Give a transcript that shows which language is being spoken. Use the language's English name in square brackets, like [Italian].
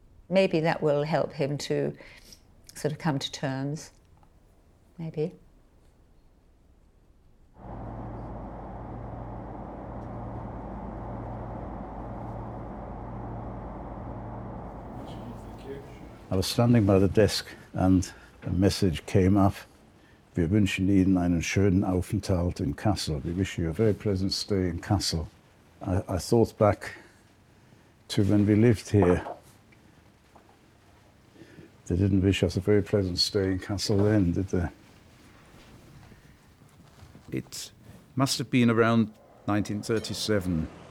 [English] Maybe that will help him to sort of come to terms. Maybe. I was standing by the desk and a message came up. [German] Wir wünschen Ihnen einen schönen Aufenthalt in Kassel. [English] We wish you a very pleasant stay in Kassel. I thought back to when we lived here. They didn't wish us a very pleasant stay in Kassel then, did they? It must have been around 1937.